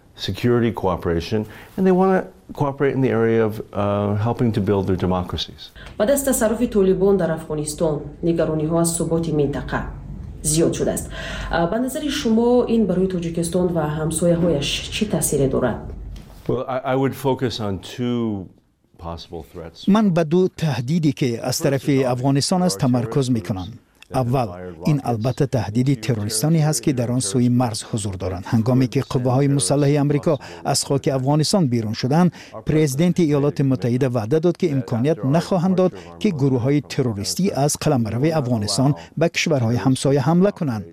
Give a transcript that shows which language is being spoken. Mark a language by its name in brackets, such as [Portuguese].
[English] Security cooperation, and they want to cooperate in the area of helping to build their democracies. [Persian] بعد از تصرف طالبان در افغانستان، نگرانی‌ها از ثبات منطقه زیاد شده است. به نظر شما این برای تاجیکستان و همسایه‌هایش چه تأثیری دارد؟ [English] Well, I would focus on two possible threats. [Persian] من به دو تهدیدی که از طرف افغانستان است تمرکز می‌کنم. اول، این البته تهدید تروریستانی هست که در آن سوی مرز حضور دارند. هنگامی که قوه‌های مسلح آمریکا از خاک افغانستان بیرون شدند، پرزیدنت ایالات متحده وعده داد که امکانیت نخواهند داد که گروه‌های تروریستی از قلمرو افغانستان به کشورهای همسایه حمله کنند.